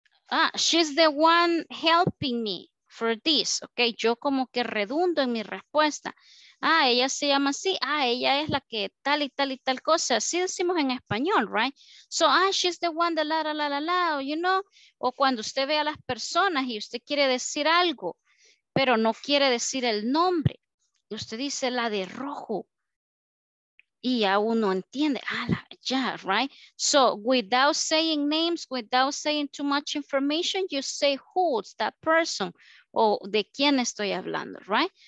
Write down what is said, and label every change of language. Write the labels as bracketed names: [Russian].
[English] Ah, she's the one helping me for this. [Spanish] Ok, yo como que redundo en mi respuesta. Ah, ella se llama así. Ah, ella es la que tal y tal y tal cosa. Así decimos en español, right? [English] So, ah, she's the one that la, la, la, la, la, you know. [Spanish] O cuando usted ve a las personas y usted quiere decir algo, pero no quiere decir el nombre. Y usted dice la de rojo. Y ya uno entiende, right? [English] So, without saying names, without saying too much information, you say who's that person, [Spanish] o de quién estoy hablando, [English] right?